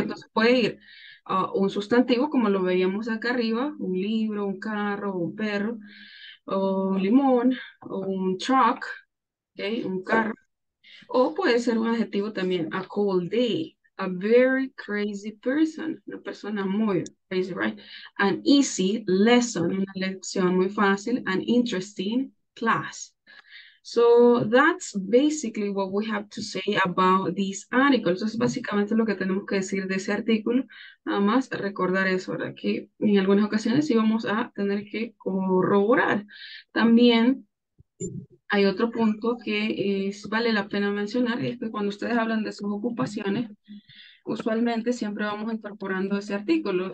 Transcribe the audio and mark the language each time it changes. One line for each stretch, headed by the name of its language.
Spanish: Entonces puede ir un sustantivo, como lo veíamos acá arriba, un libro, un carro, un perro, o un limón, o un truck, okay, un carro. O puede ser un adjetivo también,
English: a cold day, a very crazy person,
Spanish: una persona muy crazy,
English: right? An easy lesson,
Spanish: una lección muy fácil,
English: an interesting class. So that's basically what we have to say about this article.
Spanish: Eso es básicamente lo que tenemos que decir de ese artículo. Nada más recordar eso, ¿verdad? Que en algunas ocasiones sí vamos a tener que corroborar. También hay otro punto que vale la pena mencionar, y es que cuando ustedes hablan de sus ocupaciones, usualmente siempre vamos incorporando ese artículo.